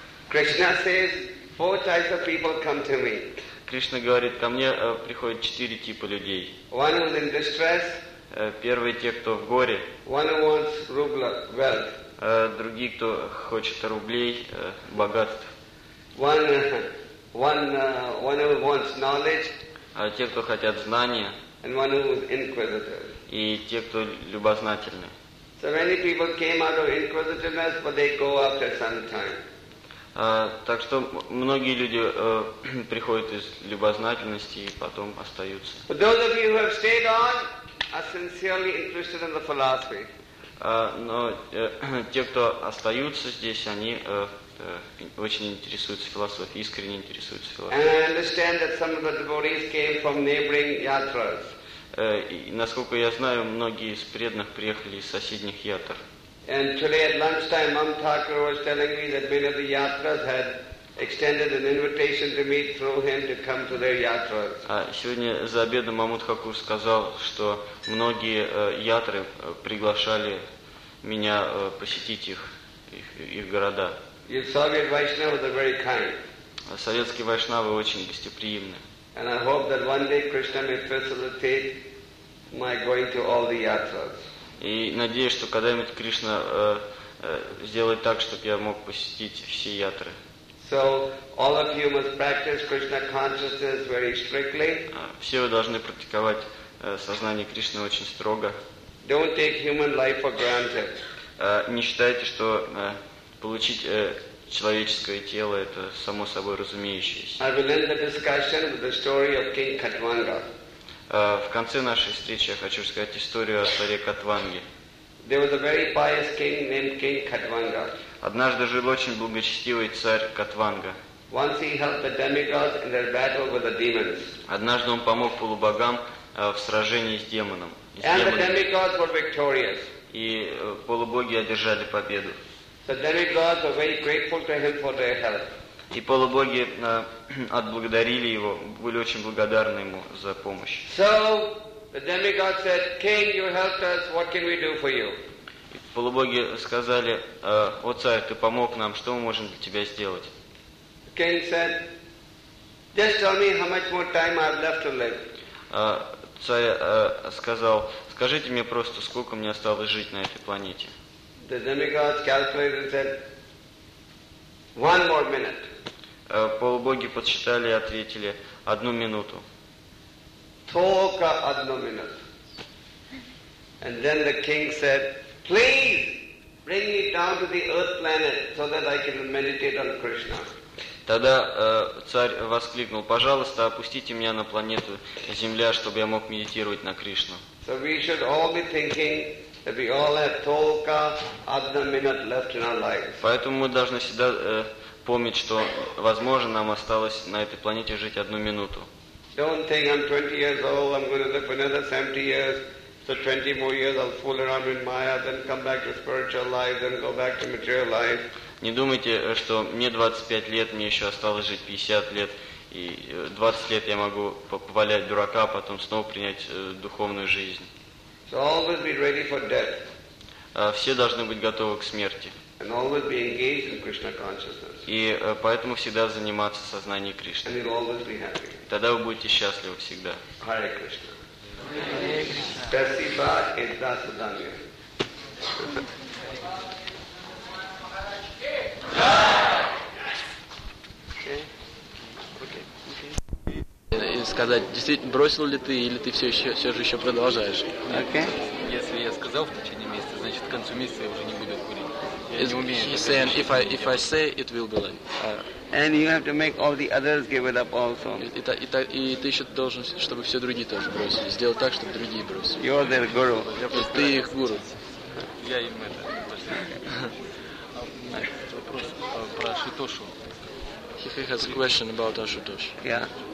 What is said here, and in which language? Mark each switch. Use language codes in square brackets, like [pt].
[en] Krishna says, four types of people come to me. [ru] Кришна говорит, ко мне приходят четыре типа людей. [en] One who is in distress. [ru] Первый те, кто в горе. [en] One who wants rubla, wealth. [ru] другие, кто хочет рублей, богатств. [en] One who wants knowledge. [ru] А те, кто хотят знания. [en] And one who is inquisitive. [ru] И те, кто любознательны. [en] So many people came out of inquisitiveness, but they go after some time. [ru] Так что многие люди приходят из любознательности и потом остаются. [en] But those of you who have stayed on are sincerely interested in the philosophy. [ru] Но те, кто остаются здесь, они очень интересуются философией, искренне интересуются философией. [en] And I understand that some of the devotees came from neighboring yatras. [ru] И, насколько я знаю, многие из преданных приехали из соседних ятр. [en] And today at lunchtime, Mam Thakur was telling me that many of the yatras had extended an invitation to me through him to come to their yatras. [ru] Сегодня за обедом Мамут Хакур сказал, что многие ятры приглашали меня посетить их города. [en] The Soviet Vaishnavas are very kind. [ru] Советские вайшнавы очень гостеприимны. [en] And I hope that one day Krishna may facilitate my going to all the yatras. [ru] И надеюсь, что когда-нибудь Кришна сделает так, чтобы я мог посетить все ятры. [en] So, all of you must practice Krishna consciousness very strictly. [ru] Все вы должны практиковать сознание Кришны очень строго. [en] Don't take human life for granted. [ru] Не считайте, что получить человеческое тело – это само собой разумеющееся. [en] I will end the discussion with the story of King Khatvanga. [ru] В конце нашей встречи я хочу рассказать историю о царе Катванге. [en] There was a very pious king named King Khatvanga. [ru] Однажды жил очень благочестивый царь Катванга. [en] Once he helped the demigods in their battle with the demons. [ru] Однажды он помог полубогам в сражении с демоном. [en] And the demigods were victorious. [ru] И полубоги одержали победу. [en] The demigods were very grateful to him for their help. [ru] И полубоги отблагодарили его, были очень благодарны ему за помощь. [en] So, the demigod said, King, you helped us, what can we do for you? [ru] И полубоги сказали, о царь, ты помог нам, что мы можем для тебя сделать? [en] King said, just tell me how much more time I have left to live. [ru] Царь сказал, скажите мне просто, сколько мне осталось жить на этой планете? [en] The demigod calculated and said, one more minute. [ru] Полубоги подсчитали и ответили одну минуту. Только одну минуту. [en] And then the king said, please bring me down to the earth planet so that I can meditate on Krishna. [ru] Тогда царь воскликнул, пожалуйста, опустите меня на планету Земля, чтобы я мог медитировать на Кришну. [en] So we should all be thinking that we all have [ru] только одну минуту [en] left in our lives. [ru] Поэтому мы должны всегда помнить, что, возможно, нам осталось на этой планете жить одну минуту. [en] Don't think I'm 20 years old, I'm going to live another 70 years, so 20 more years I'll fool around in Maya, then come back to spiritual life, then go back to material life. [ru] Не думайте, что мне 25 лет, мне еще осталось жить 50 лет, и 20 лет я могу повалять дурака, а потом снова принять духовную жизнь. [en] So always be ready for death. [ru] Все должны быть готовы к смерти. [en] And always be engaged in Krishna consciousness. [ru] И поэтому всегда заниматься сознанием Кришны. [en] And you'll always be happy. [ru] Тогда вы будете счастливы всегда. Hare Krishna. Спасибо и до свидания. Сказать, действительно, бросил ли ты, или ты все же еще продолжаешь? [en] Okay. [ru] Если я сказал в течение месяца, значит, к концу месяца я уже не буду курить. Я не умею. [en] He's saying, if I say, it will be like. And you have to make all the others give it up also. [ru] И ты еще должен, чтобы все другие тоже бросили. Сделать так, чтобы другие бросили. [en] You're their guru. [ru] Ты их гуру. Я им это. Вопрос про Ашутошу. [en] He has a question about Ашутош. Yeah.